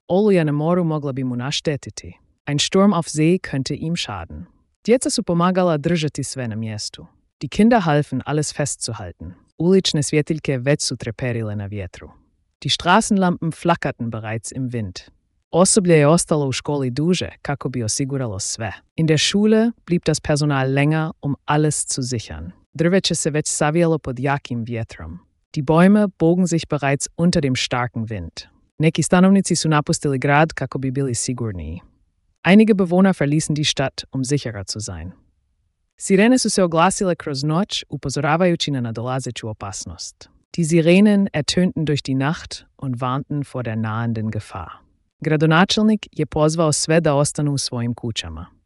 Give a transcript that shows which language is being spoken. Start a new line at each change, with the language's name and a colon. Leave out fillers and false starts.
Croatian: Oluja na moru mogla bi mu naštetiti.
German: Ein Sturm auf See könnte ihm schaden.
Croatian: Djeca su pomagala držati sve na mjestu.
German: Die Kinder halfen, alles festzuhalten.
Croatian: Ulične svjetiljke već su treperile na vjetru.
German: Die Straßenlampen flackerten bereits im Wind.
Croatian: Osoblje je ostalo u školi duže, kako bi osiguralo sve.
German: In der Schule blieb das Personal länger, um alles zu sichern.
Croatian: Drveće se već savijalo pod jakim vjetrom.
German: Die Bäume bogen sich bereits unter dem starken Wind.
Croatian: Neki stanovnici su napustili grad, kako bi bili sigurniji.
German: Einige Bewohner verließen die Stadt, um sicherer zu sein.
Croatian: Sirene su se oglasile kroz noć, upozoravajući na nadolazeću opasnost.
German: Die Sirenen ertönten durch die Nacht und warnten vor der nahenden Gefahr.
Croatian: Gradonačelnik je pozvao sve da ostanu u svojim kućama.